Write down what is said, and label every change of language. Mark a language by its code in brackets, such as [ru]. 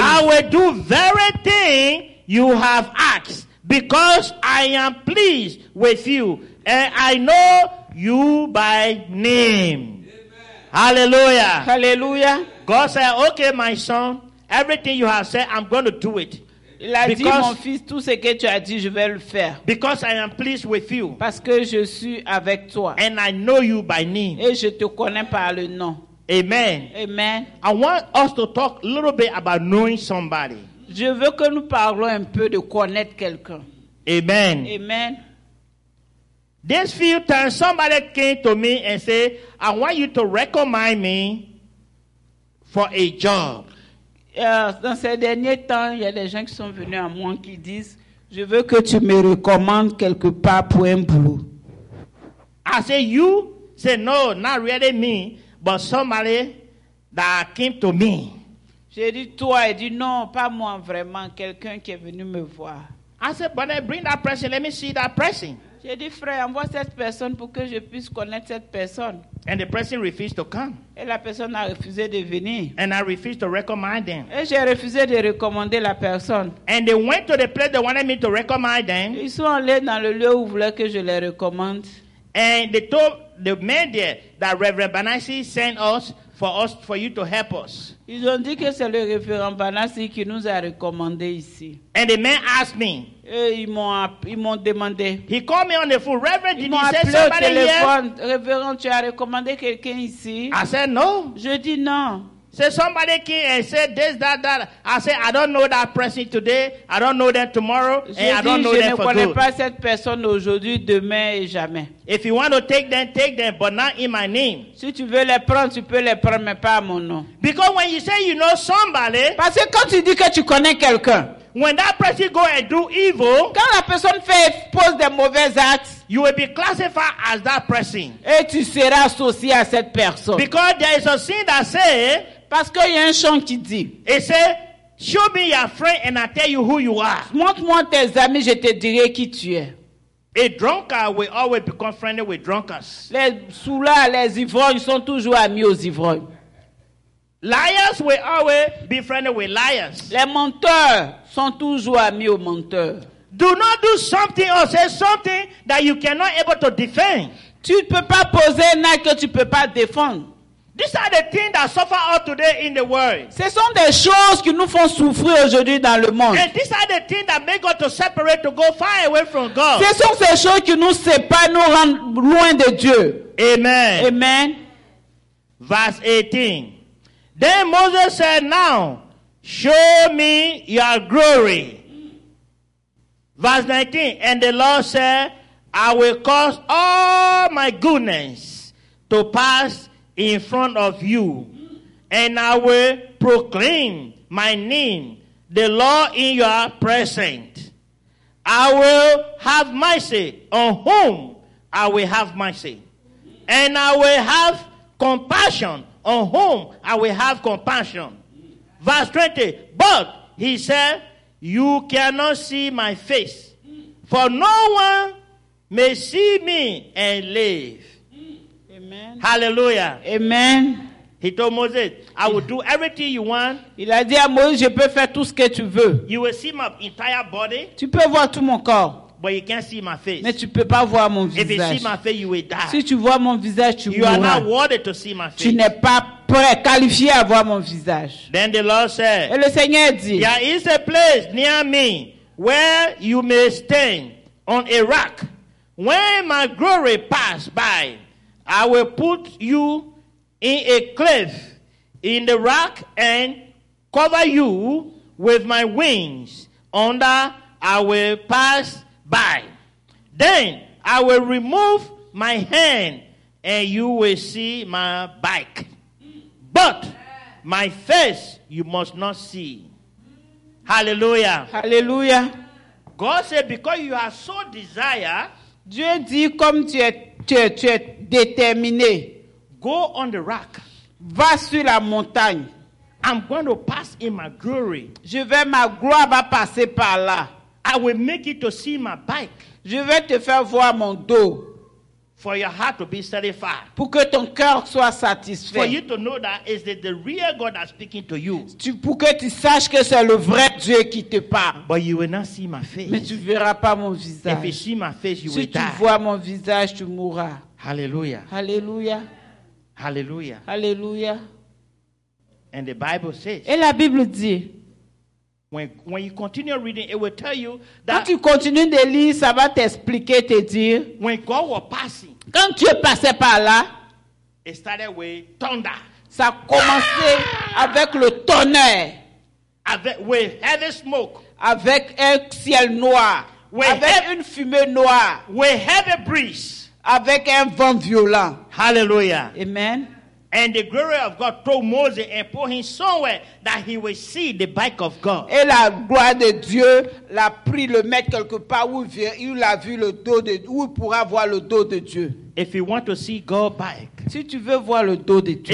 [en] I will do very thing you have asked, because I am pleased with you, and I know you by name. Amen. Hallelujah. Hallelujah. God said, okay, my son, everything you have said, I'm going to do it. [fr] Il a dit, mon fils, tout ce que tu as dit, je vais le faire. [en] Because I am pleased with you. [fr] Parce que je suis avec toi. [en] And I know you by name. [fr] Et je te connais par le nom. [en] Amen. Amen. I want us to talk a little bit about knowing somebody. [fr] Je veux que nous parlons un peu de connaître quelqu'un. [en] Amen. Amen. This few times, somebody came to me and said, I want you to recommend me for a job. [fr] Dans ces derniers temps, il y a des gens qui sont venus à moi qui disent, je veux que tu me recommandes quelque part pour un boulot. [en] I say, you say, no, not really me, but somebody that came to me. [fr] J'ai dit, toi, il dit, non, pas moi vraiment, quelqu'un qui est venu me voir. [en] I say, but then bring that person, let me see that person. [fr] J'ai dit, frère, envoie cette personne pour que je puisse connaître cette personne. [en] And the person refused to come. [fr] Et la personne a refusé de venir. [en] And I refused to recommend them. [fr] Et j'ai refusé de recommander la personne. [en] And they went to the place they wanted me to recommend them. [fr] Ils sont allés dans le lieu où ils voulaient que je les recommande. [en] And they told the man there that Reverend Banasi sent us for you to help us. [fr] Ils ont dit que c'est le référent Vanassi qui nous a recommandé ici. [en] And the man asked me. [fr] Ils m'ont demandé. [en] He called me on the phone. Reverend, did you say somebody here? [fr] Reverend, tu as recommandé quelqu'un ici? [en] I said no. [fr] Je dis non. [en] Say somebody came and said this, that. I said, I don't know that person today. I don't know them tomorrow. [fr] Je ne connais pas cette personne aujourd'hui, demain et jamais. [en] If you want to take them, but not in my name. [fr] Si tu veux les prendre, tu peux les prendre, mais pas à mon nom. [en] Because when you say you know somebody. [fr] Parce que quand tu dis que tu connais quelqu'un. [en] When that person go and do evil. [fr] Quand la personne fait, pose des mauvais actes. [en] You will be classified as that person. [fr] Et tu seras associé à cette personne. [en] Because there is a sin that say. [fr] Parce qu'il y a un chant qui dit. [en] It says, show me your friend and I tell you who you are. [fr] Montre-moi tes amis, je te dirai qui tu es. [en] A drunkard will always become friendly with drunkards. [fr] Les saoulards, les ivrognes sont toujours amis aux ivrognes. [en] Liars will always be friendly with liars. [fr] Les menteurs sont toujours amis aux menteurs. [en] Do not do something or say something that you cannot able to defend. [fr] Tu ne peux pas poser un acte que tu ne peux pas défendre. [en] These are the things that suffer all today in the world. [fr] Ce sont des choses qui nous font souffrir aujourd'hui dans le monde. [en] And these are the things that make us to separate, to go far away from God. [fr] Ce sont ces choses qui nous séparent, nous rendent loin de Dieu. [en] Amen. Amen. Verse 18. Then Moses said, now, show me your glory. Verse 19. And the Lord said, I will cause all my goodness to pass in front of you, and I will proclaim my name, the Lord, in your presence. I will have mercy on whom I will have mercy, and I will have compassion on whom I will have compassion. Verse 20, but he said, you cannot see my face, for no one may see me and live. Amen. Hallelujah. Amen. He told Moses, I will do everything you want. [fr] Il a dit à Moïse, je peux faire tout ce que tu veux. [en] You will see my entire body. [fr] Tu peux voir tout mon corps. [en] But you can't see my face. [fr] Mais tu peux pas voir mon visage. [en] If you see my face, you will die. [fr] Si tu vois mon visage, tu mourras. [en] You are not worthy to see my face. [fr] Tu n'es pas prêt, qualifié à voir mon visage. [en] Then the Lord said, [fr] et le Seigneur dit, [en] there is a place near me where you may stand on a rock. When my glory pass by, I will put you in a cliff in the rock and cover you with my wings. Under I will pass by. Then I will remove my hand and you will see my back. But my face you must not see. Hallelujah. Hallelujah. God said, because you are so desire. [fr] Dieu dit, comme tu es déterminé. [en] Go on the rock. [fr] Va sur la montagne. [en] I'm going to pass in my glory. [fr] Je vais, ma gloire va passer par là. [en] I will make it to see my bike. [fr] Je vais te faire voir mon dos. [en] For your heart to be satisfied. [fr] Pour que ton cœur soit satisfait. [en] For you to know that is the real God that's speaking to you. [fr] Pour que tu saches que c'est le vrai Dieu qui te parle. [en] But you will not see my face. [fr] Mais tu verras pas mon visage. [en] If you see my face, you [fr] si [en] will die. [fr] Si tu vois mon visage, tu mourras. [en] Hallelujah. Hallelujah. Hallelujah. Hallelujah. And the Bible says. [fr] Et la Bible dit. [en] When you continue reading, it will tell you that. [fr] Quand tu continues de lire, ça va t'expliquer, te dire. [en] When God was passing. [fr] Quand tu es passé par là. [en] It started with thunder. [fr] Ça commençait avec le tonnerre. [en] Avec with heavy smoke. [fr] Avec un ciel noir. Une fumée noire. [en] With heavy breeze. [fr] Avec un vent violent. [en] Hallelujah. Amen. And the glory of God told Moses and put him somewhere that he will see the back of God. [fr] Et la gloire de Dieu l'a pris le mettre quelque part où il a vu le dos de où il pourra voir le dos de Dieu. [en] If you want to see God back. [fr] Si tu veux voir le dos de Dieu.